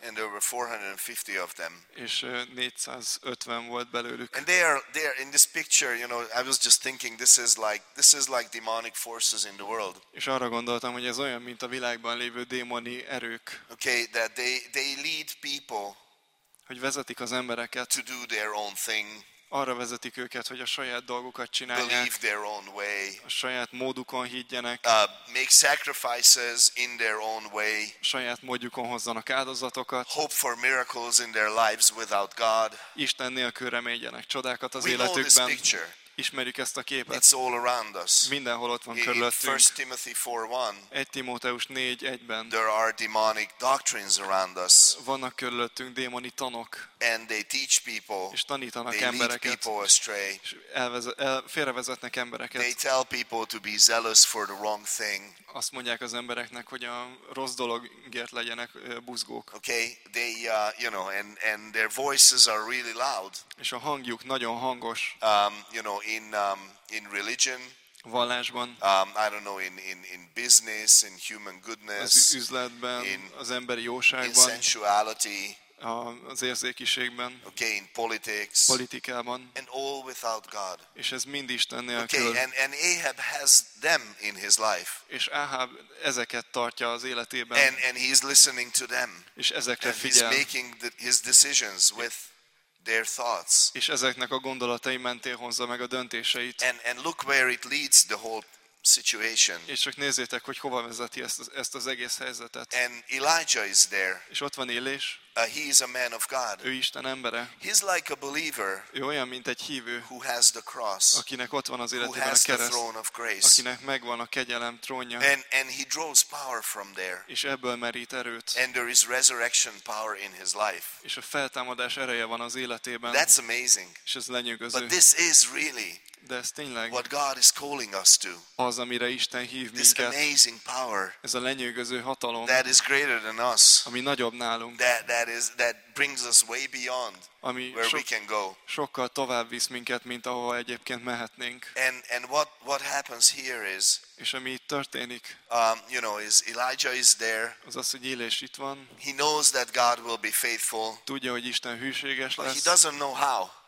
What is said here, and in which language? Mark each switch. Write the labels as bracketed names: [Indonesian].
[English] And there were 450 of them. [Hungarian] És 450 volt belőlük. [English] And they are in this picture, you know, I was just thinking this is like demonic forces in the world. [Hungarian] És arra gondoltam, hogy ez olyan, mint a világban lévő démoni erők. [English] Okay, that they lead people. [Hungarian] Hogy vezetik az embereket. [English] To do their own thing. [Hungarian] arra vezetik őket, hogy a saját dolgukat csinálják. [English] Believe their own way. [Hungarian] A saját módukon higgyenek. [English] Make sacrifices in their own way. [Hungarian] Saját módjukon hozzanak áldozatokat. [English] Hope for miracles in their lives without God. [Hungarian] Isten nélkül reményenek csodákat az életükben. Ismerjük ezt a képet. [English] It's all around us. [Hungarian] Mindenhol ott van körülöttünk. [English] 1 Timothy 4:1. [Hungarian] 1 Timóteus 4:1-ben. [English] There are demonic doctrines around us. [Hungarian] Vannak körülöttünk démoni tanok. [English] And they teach people. [Hungarian] És tanítanak embereket. [English] They lead people astray. [Hungarian] Félrevezetnek embereket. [English] They tell people to be zealous for the wrong thing. [Hungarian] Azt mondják az embereknek, hogy a rossz dologért legyenek buzgók. [English] Okay, they you know, and their voices are really loud. [Hungarian] És a hangjuk nagyon hangos. [English] You know, in religion, [Hungarian] vallásban, [English] I don't know, in business, in human goodness, [Hungarian] az üzletben, in az emberi jóságban, [English] in sensuality, [Hungarian] az érzékiségben, [English] okay, in politics, [Hungarian] politikában, [English] and all without God. [Hungarian] És ez mind Isten nélkül. [English] Okay, and Ahab has them in his life. [Hungarian] És Ahab ezeket tartja az életében. [English] And he's listening to them. [Hungarian] És ezekre figyel. [English] He's making his decisions with their thoughts. [Hungarian] És ezeknek a gondolatai mentén hozza meg a döntéseit. [English] And look where it leads the whole situation. [Hungarian] És csak nézzétek, hogy hova vezeti ezt az egész helyzetet. [English] And Elijah is there. [Hungarian] És ott van Élés. [English] He is a man of God. [Hungarian] Ő Isten embere. [English] He's like a believer. [Hungarian] Ő olyan, mint egy hívő. [English] Who has the cross. [Hungarian] Akinek ott van az életében a kereszt. [English] Who has the throne of grace. [Hungarian] Akinek megvan a kegyelem trónja. [English] And he draws power from there. [Hungarian] És ebből merít erőt. [English] And there is resurrection power in his life. [Hungarian] És a feltámadás ereje van az életében. [English] That's amazing. [Hungarian] És ez lenyűgöző. [English] But this is really what God is calling us to. [Hungarian] Az, amire Isten hív minket. [English] This amazing power. [Hungarian] Ez a lenyűgöző hatalom. [English] That is greater than us. [Hungarian] Ami nagyobb nálunk. [English] That brings us way beyond where we can go. [Hungarian] Sokkal tovább visz minket, mint ahova egyébként mehetnénk. [English] And what happens here is. [Hungarian] És ami itt történik. [English] You know, is Elijah is there. [Hungarian] Az az, hogy Élés itt van. [English] He knows that God will be faithful. [Hungarian] Tudja, hogy Isten hűséges lesz. [English] But he doesn't know how.